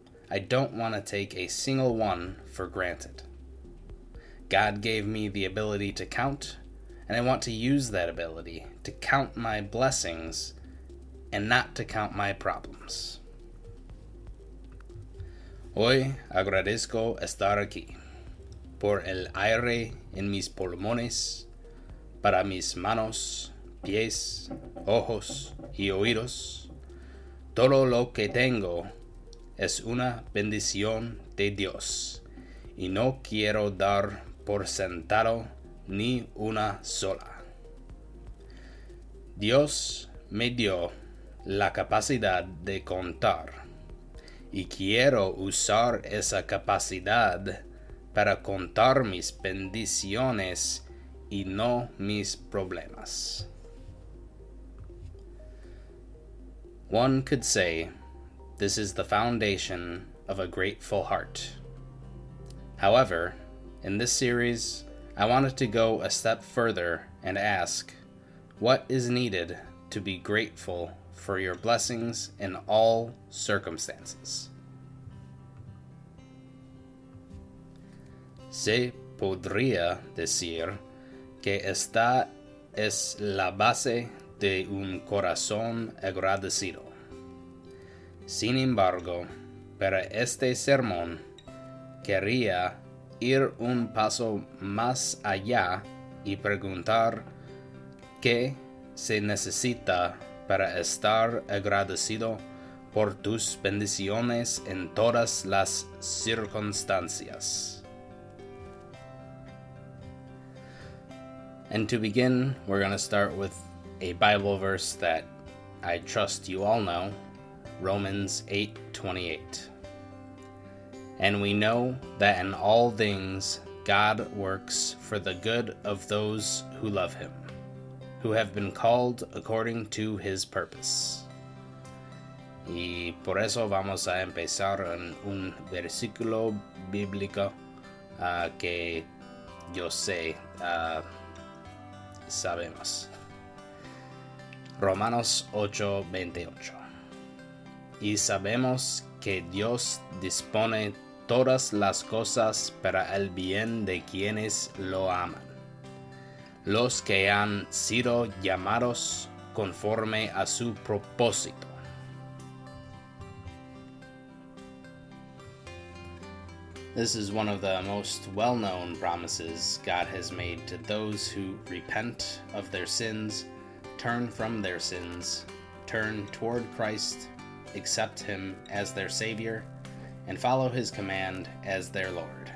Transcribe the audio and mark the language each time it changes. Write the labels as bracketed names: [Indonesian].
[English] I don't want to take a single one for granted. God gave me the ability to count, and I want to use that ability to count my blessings and not to count my problems. [Spanish] Hoy agradezco estar aquí, por el aire en mis pulmones, para mis manos, pies, ojos y oídos. Todo lo que tengo es una bendición de Dios, y no quiero dar por sentado ni una sola. Dios me dio la capacidad de contar, y quiero usar esa capacidad para contar mis bendiciones y no mis problemas. [English] One could say this is the foundation of a grateful heart. However, in this series, I wanted to go a step further and ask, what is needed to be grateful for your blessings in all circumstances? [Spanish] Se podría decir que esta es la base de un corazón agradecido. Sin embargo, para este sermón, quería ir un paso más allá y preguntar qué se necesita para estar agradecido por tus bendiciones en todas las circunstancias. [English] And to begin, we're going to start with a Bible verse that I trust you all know, Romans 8:28. And we know that in all things God works for the good of those who love him, who have been called according to his purpose. [Spanish] Y por eso vamos a empezar en un versículo bíblico que yo sé, sabemos. Romanos 8:28. Y sabemos que Dios dispone todas las cosas para el bien de quienes lo aman, los que han sido llamados conforme a su propósito. [English] This is one of the most well-known promises God has made to those who repent of their sins, turn from their sins, turn toward Christ, accept him as their Savior, and follow his command as their Lord.